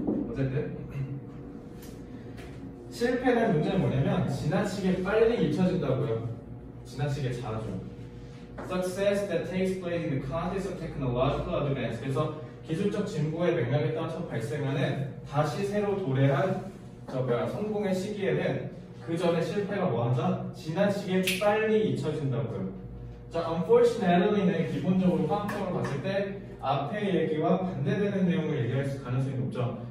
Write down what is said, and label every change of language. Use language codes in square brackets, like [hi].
[ko] 어쨌든 실패는 문제는 뭐냐면 지나치게 빨리 잊혀진다고요. 지나치게 자라죠. [en] Success that takes place in the context of technological advance. [ko] 그래서 기술적 진보의 맥락에 따라서 발생하는 다시 새로 도래한 저 뭐야 성공의 시기에는 그 전에 실패가 뭐한다? 지나치게 빨리 잊혀진다고요. 자, unfortunately는 기본적으로 화학적으로 봤을 때 앞에 얘기와 반대되는 내용을 얘기할 가능성이 높죠.